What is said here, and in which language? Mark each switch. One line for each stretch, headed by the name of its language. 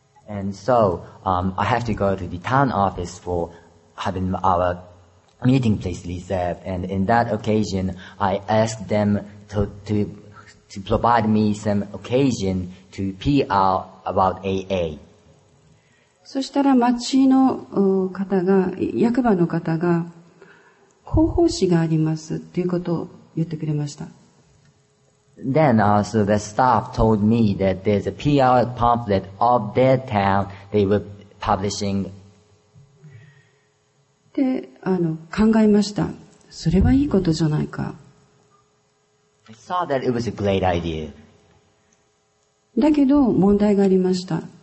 English: And so, I have to go to the town office for having our meeting place reserved. And in that occasion, I asked them to provide me some occasion to PR about AA.
Japanese: そしたら町の方が、役場の方が、広報誌がありますということを言ってくれました。
English: Then, so the staff told me that there's a PR pamphlet of their town they were publishing.
Japanese: で、考えました。それはいいことじゃないか。
English: I saw that it was a great idea.
Japanese: だけど問題がありました。